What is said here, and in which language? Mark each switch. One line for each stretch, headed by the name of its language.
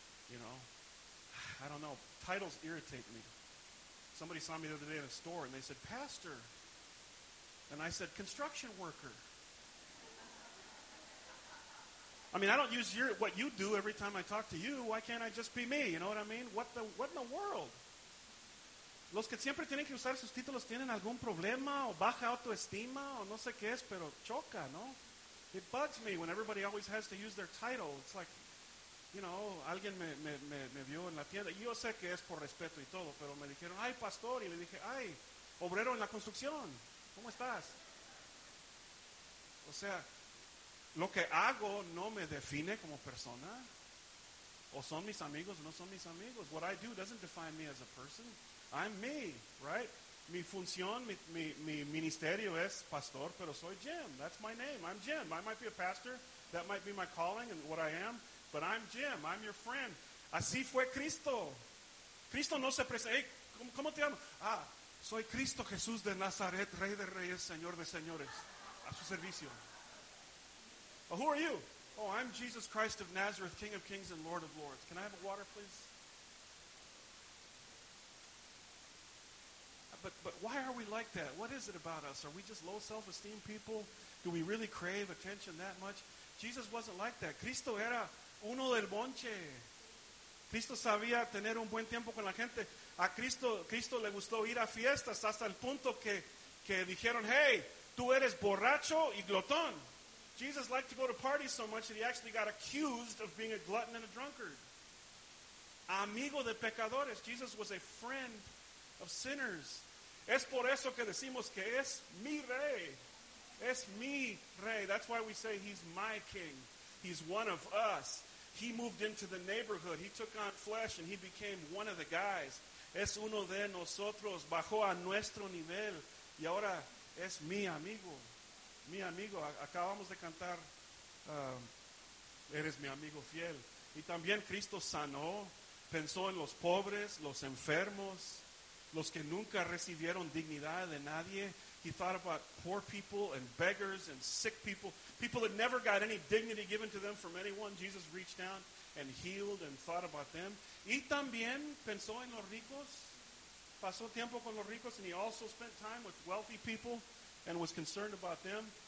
English: You know, I don't know. Titles irritate me. Somebody saw me the other day in a store and they said, Pastor. And I said, construction worker. I mean, I don't use what you do every time I talk to you. Why can't I just be me? You know what I mean? What in the world?
Spanish: Los que siempre tienen que usar sus títulos tienen algún problema o baja autoestima o no sé qué es, pero choca, ¿no?
English: It bugs me when everybody always has to use their title. It's like, you know,
Spanish: alguien me vio en la tienda. Yo sé que es por respeto y todo, pero me dijeron, ay, pastor, y le dije, ay, obrero en la construcción, ¿cómo estás? O sea, lo que hago no me define como persona. O son mis amigos o no son mis amigos.
English: What I do doesn't define me as a person. I'm me, right?
Spanish: Mi función, mi ministerio es pastor, pero soy Jim.
English: That's my name. I'm Jim. I might be a pastor. That might be my calling and what I am. But I'm Jim. I'm your friend.
Spanish: Así fue Cristo. Cristo no se presenta. Hey, ¿cómo te llamas? Ah, soy Cristo Jesús de Nazaret, Rey de Reyes, Señor de Señores. A su servicio.
English: Well, who are you? Oh, I'm Jesus Christ of Nazareth, King of Kings and Lord of Lords. Can I have a water, please? But why are we like that? What is it about us? Are we just low self-esteem people? Do we really crave attention that much? Jesus wasn't like that.
Spanish: Cristo era uno del bonche. Cristo sabía tener un buen tiempo con la gente. A Cristo le gustó ir a fiestas hasta el punto que dijeron, hey, tú eres borracho y glotón.
English: Jesus liked to go to parties so much that he actually got accused of being a glutton and a drunkard.
Spanish: Amigo de pecadores.
English: Jesus was a friend of sinners.
Spanish: Es por eso que decimos que es mi rey. Es mi rey.
English: That's why we say he's my king. He's one of us. He moved into the neighborhood. He took on flesh and he became one of the guys.
Spanish: Es uno de nosotros. Bajó a nuestro nivel. Y ahora es mi amigo. Mi amigo. Acabamos de cantar, eres mi amigo fiel. Y también Cristo sanó. Pensó en los pobres, los enfermos, los que nunca recibieron dignidad de nadie.
English: He thought about poor people and beggars and sick people. People that never got any dignity given to them from anyone. Jesus reached down and healed and thought about them.
Spanish: Y también pensó en los ricos. Pasó tiempo con los ricos
English: and he also spent time with wealthy people and was concerned about them.